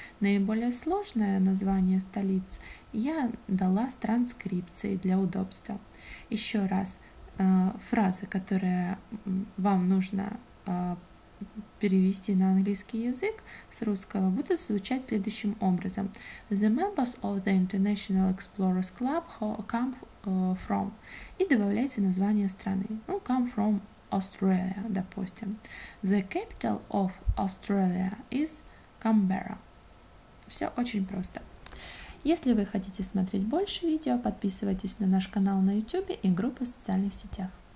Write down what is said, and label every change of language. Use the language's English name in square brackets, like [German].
[Russian] Наиболее сложное название столиц я дала с транскрипцией для удобства. Еще раз. Фразы, которые вам нужно перевести на английский язык с русского, будут звучать следующим образом. [English] The members of the International Explorers Club come from. [Russian] И добавляйте название страны. Ну, [English] come from Australia, [Russian] допустим. [English] The capital of Australia is Canberra. [Russian] Все очень просто. Если вы хотите смотреть больше видео, подписывайтесь на наш канал на YouTube и группу в социальных сетях.